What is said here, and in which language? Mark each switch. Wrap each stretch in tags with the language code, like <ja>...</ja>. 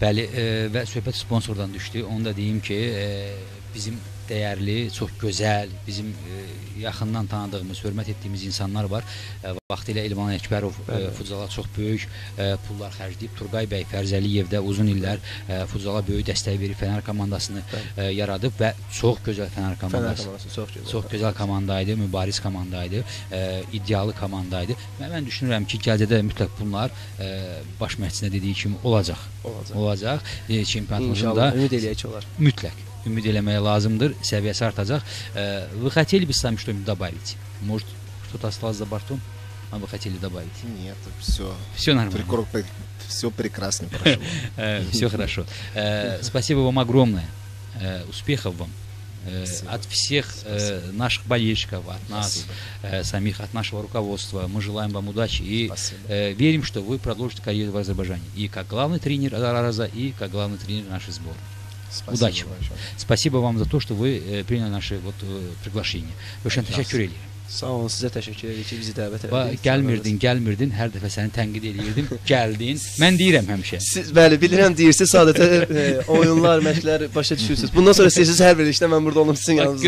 <az>Bəli, və söhbət sponsordan düşdü. Onu da deyim ki, bizim dəyərli, çox gözəl, bizim yaxından tanıdığımız, hörmət etdiyimiz insanlar var. Vaxtı ilə İlvan Əkbərov futzala çox böyük pullar xərcləyib. Turqay bəy Fərzəliyev də uzun illər futzala böyük dəstək verib, Fənər komandasını yaradıb və çox gözəl Fənər komandası. Fənər komandası çox gözəl. Çox gözəl komandaydı, mübariz komandaydı, iddialı komandaydı. Mən düşünürəm ki, gələcəkdə mütləq bunlar baş məşqçinə dediyi kimi olacaq. Olacaq. Olacaq. Çempionatımızda. İnşallah, ümid eləyək ki, olar. Mütləq. Ümid eləməyə lazımdır, səviyyəsi artacaq.</az> <ru>Вы хотели бы сами что-нибудь добавить? Может, что-то осталось за бортом? А вы хотели добавить? Нет, всё. Всё нормально. Всё прекрасно прошло. Всё хорошо. Спасибо вам огромное. Успехов вам. От всех наших болельщиков, от нас самих, от нашего руководства мы желаем вам удачи и верим, что вы продолжите карьеру в Азербайджане. И как главный тренер Араза, и как главный тренер нашей сборной. Спасибо. Удачи вам. Большое. Спасибо вам за то, что вы приняли наше вот приглашение. Очень</ru> <az>тешекюр эли. Sağ olun, sizə təşəkkür edirik ki, bizi dəvət edin. Gəlmirdin, gəlmirdin, hər dəfə səni tənqid edirdim, gəldin. Mən deyirəm həmişə. Siz, bəli, bilirəm, deyirsiniz, sadəcə oyunlar, məşqlər başa düşürsünüz. Bundan sonra siz hər verilişdə mən burada olum sizin yanınızda.</az>